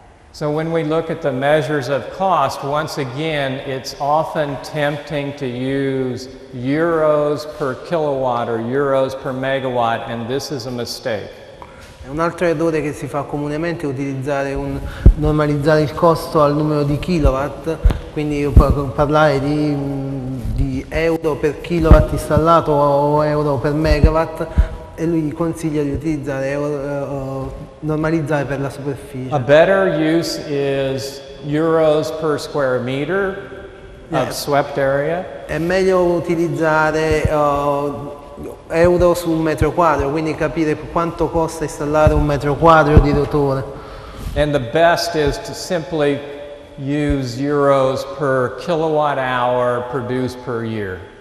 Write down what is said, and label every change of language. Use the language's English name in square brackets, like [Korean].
[English] So when we look at the measures of cost, once again it's often tempting to use euros per kilowatt or euros per megawatt, and this is a mistake. [Italian] Un altro errore che si fa comunemente è utilizzare normalizzare il costo al numero di kilowatt, quindi parlare di euro per kilowatt installato o euro per megawatt, e lui consiglia di utilizzare normalizzare per la superficie. [English] A better use is euros per square meter of swept area. [Italian] È meglio utilizzare euro su un metro quadro, quindi capire quanto costa installare un metro quadro di rotore. [English] And the best is to simply use euros per kilowatt hour produced per year.